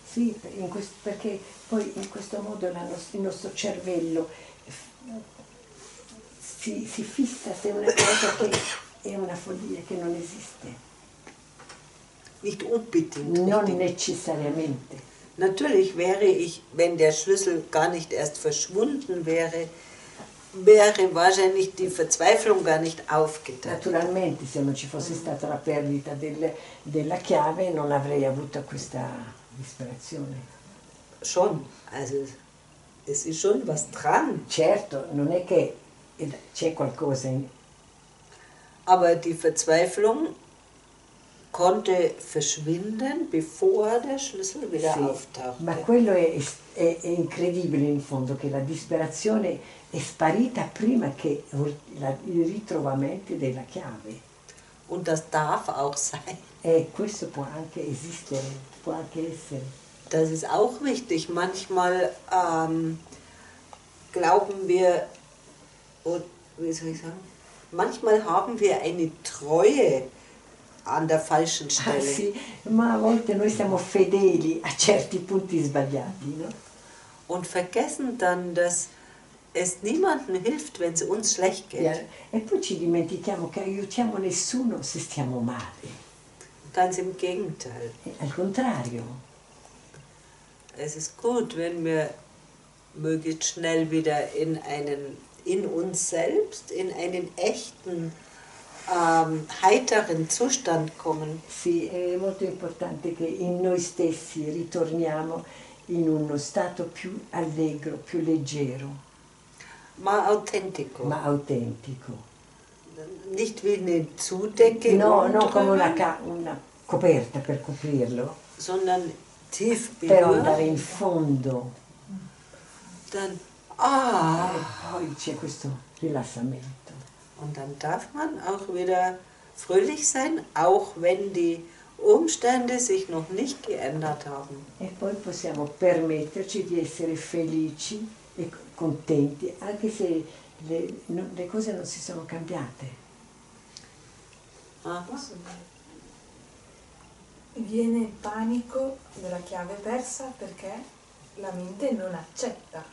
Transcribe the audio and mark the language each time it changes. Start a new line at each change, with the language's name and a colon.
Italian: Sì, perché poi in questo modo il nostro cervello si fissa se una cosa che è una follia che non esiste.
German: Nicht unbedingt.
Italian: Non necessariamente.
German: Natürlich wäre ich, wenn der Schlüssel gar nicht erst verschwunden wäre, wäre wahrscheinlich die Verzweiflung gar nicht aufgetaucht.
Italian: Naturalmente, se non ci fosse stata la perdita della chiave, non avrei avuto questa disperazione.
German: Schon, also es ist schon was dran.
Italian: Certo, non è che c'è qualcosa in.
German: Aber die Verzweiflung konnte verschwinden, bevor der Schlüssel wieder auftauchte.
Italian: Ma quello è incredibile in fondo, che la disperazione è sparita prima che il ritrovamento della chiave.
German: Und das darf auch sein.
Italian: E questo può anche esistere, può anche essere.
German: Das ist auch wichtig. Manchmal glauben wir, wie soll ich sagen? Manchmal haben wir eine Treue an der falschen Stelle.
Italian: Ah, sì. Ma a volte noi siamo fedeli a certi punti sbagliati, no?
German: Und vergessen dann, dass es niemandem hilft, wenn es uns schlecht geht. Ja.
Italian: E poi ci dimentichiamo che aiutiamo nessuno se stiamo male.
German: Ganz im Gegenteil.
Italian: Al contrario.
German: Es ist gut, wenn wir möglichst schnell wieder in uns selbst, in einen echten heiteren Zustand kommen.
Italian: Sì, è molto importante che in noi stessi ritorniamo in uno stato più allegro, più leggero. Ma autentico. Ma autentico.
German: Nicht wie eine Zudecke.
Italian: No, non come una coperta per coprirlo.
German: Sondern tief
Italian: per andare in fondo.
German: Dann
Italian: poi c'è questo rilassamento.
German: Und dann darf man auch wieder fröhlich sein, auch wenn die Umstände sich noch nicht geändert haben.
Italian: E poi possiamo permetterci di essere felici e contenti, anche se le cose non si sono cambiate. Viene panico della chiave persa perché la mente non accetta.